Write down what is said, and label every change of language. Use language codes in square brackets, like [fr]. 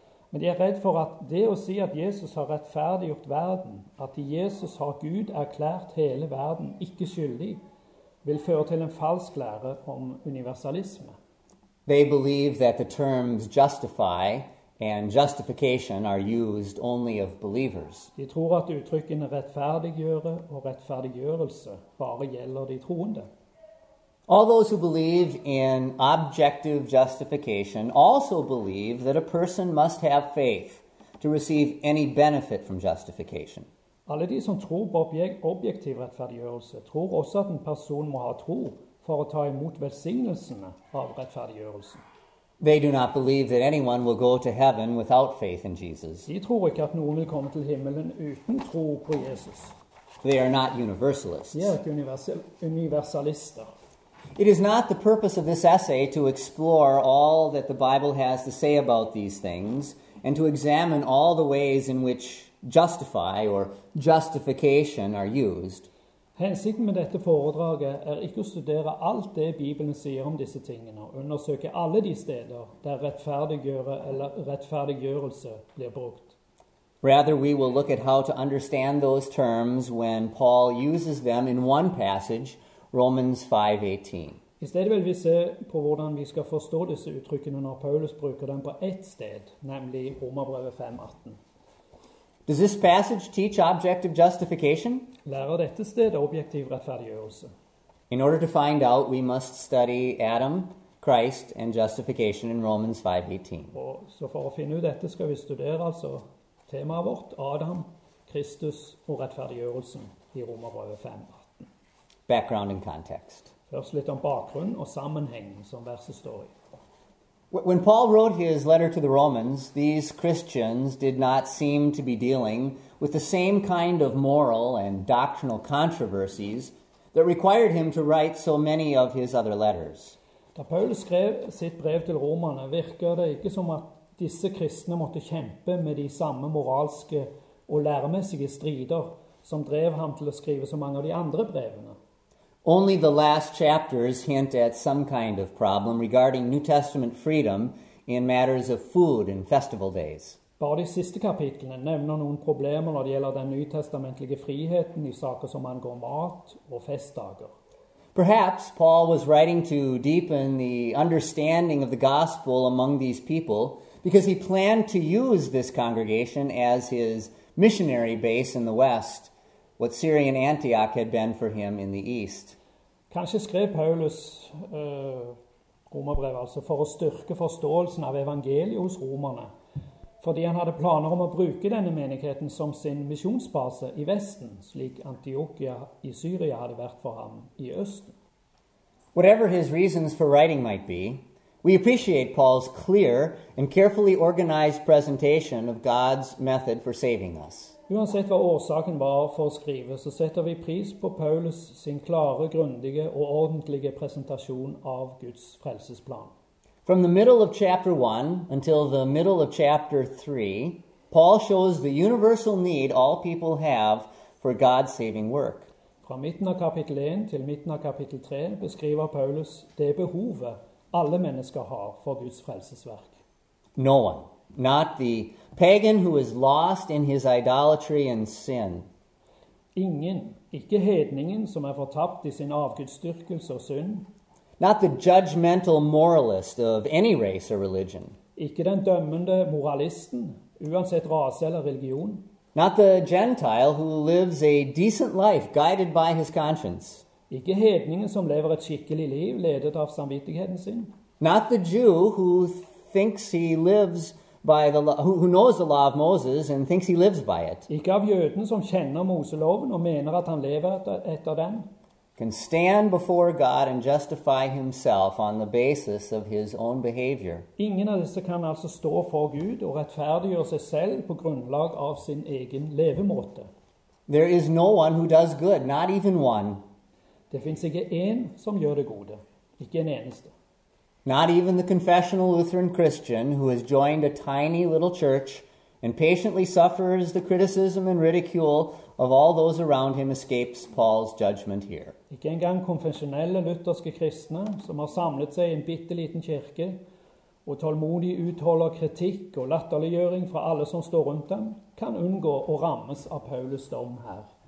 [no] Men de er redd for at det å si at Jesus har rettferdiggjort verden, at Jesus har Gud erklært hele verden ikke skyldig, vil føre til en falsk lære om universalisme. [en] They believe that the terms justify and justification are used only of believers. [no] De tror at uttrykkene rettferdiggjøre og rettferdiggjørelse bare gjelder de troende. [en] All those who believe in objective justification also believe that a person must have faith to receive any benefit from justification. [no] Alle de som tror på objektiv rettferdiggjørelse tror også at en person må ha tro for å ta imot velsignelsene av rettferdiggjørelsen. [en] They do not believe that anyone will go to heaven without faith in Jesus. [no] De tror ikke at noen vil komme til himmelen uten tro på Jesus. [en] They are not universalists. [no] De ikke universalister. [en] It is not the purpose of this essay to explore all that the Bible has to say about these things and to examine all the ways in which justify or justification are used. [no] Hensikten med dette foredraget ikke å studere alt det Bibelen sier om disse tingene, og undersøke alle de steder der rettferdiggjøre eller rettferdiggjørelse blir brukt. [en] Rather, we will look at how to understand those terms when Paul uses them in one passage, Romans 5:18. [no] I stedet vil vi se på hvordan vi skal forstå disse uttrykkene når Paulus bruker dem på ett sted, nemlig Romerbrevet 5:18. [en] Does this passage teach objective justification? [no] Lærer dette sted objektiv rettferdiggjørelse? [en] In order to find out, we must study Adam, Christ, and justification in Romans 5:18. [no] Og så for å finne ut dette skal vi studere altså temaet vårt, Adam, Kristus og rettferdiggjørelsen I Romerbrevet 5:18. [en] Background and context. [no] Først litt om bakgrunn og sammenheng som verset står I. [en] When Paul wrote his letter to the Romans, these Christians did not seem to be dealing with the same kind of moral and doctrinal controversies that required him to write so many of his other letters. [no] Da Paulus skrev sitt brev til romerne, virker det ikke som at disse kristne måtte kjempe med de samme moralske og læremessige strider som drev ham til å skrive så mange av de andre brevene. [en] Only the last chapters hint at some kind of problem regarding New Testament freedom in matters of food and festival days. [no] Bare de siste kapitlene nevner noen problemer når det gjelder den nytestamentlige friheten I saker som angår mat og festdager. [en] Perhaps Paul was writing to deepen the understanding of the gospel among these people because he planned to use this congregation as his missionary base in the West. What Syrian Antioch had been for him in the East. [no] Kanskje skrev Paulus romerbrevet altså for å styrke forståelsen av evangeliet hos romerne, fordi han hadde planer om å bruke denne menigheten som sin misjonsbase I Vesten, slik Antiochia I Syria hadde vært for ham I Østen. [en] Whatever his reasons for writing might be, we appreciate Paul's clear and carefully organized presentation of God's method for saving us. [no] Uansett hva årsaken var for å skrive, så setter vi pris på Paulus sin klare, grundige og ordentlige presentasjon av Guds frelsesplan. [en] From the middle of chapter 1 until the middle of chapter 3, Paul shows the universal need all people have for God's saving work. [no] Fra midten av kapittel 1 til midten av kapittel 3 beskriver Paulus det behovet alle mennesker har for Guds frelsesverk. [en] No one. Not the pagan who is lost in his idolatry and sin. [no] Ingen, ikke hedningen som fortapt I sin avgudsdyrkelse og synd. [en] Not the judgmental moralist of any race or religion. [no] Ikke den dømmende moralisten, uansett rase eller religion. [en] Not the Gentile who lives a decent life guided by his conscience. [no] Ikke hedningen som lever et skikkelig liv ledet av samvittigheten sin. [en] Not the Jew who thinks he lives by the who knows the law of Moses and thinks he lives by it. [no] Ikke av jøden som kjenner Moseloven og mener at han lever etter den. [en] Can stand before God and justify himself on the basis of his own behavior. [no] Ingen av disse kan altså stå for Gud og rettferdiggjøre seg selv på grunnlag av sin egen levemåte. [en] There is no one who does good, not even one. [no] Det finnes ikke en som gjør det gode, ikke en eneste. [en] Not even the confessional Lutheran Christian who has joined a tiny little church and patiently suffers the criticism and ridicule of all those around him escapes Paul's judgment here. [no] Ikke engang konfesjonelle lutherske kristne som har samlet seg i en bitte liten kirke og tålmodig utholder kritikk og latterliggjøring fra alle som står rundt dem, kan unngå å rammes av Paulus dom her.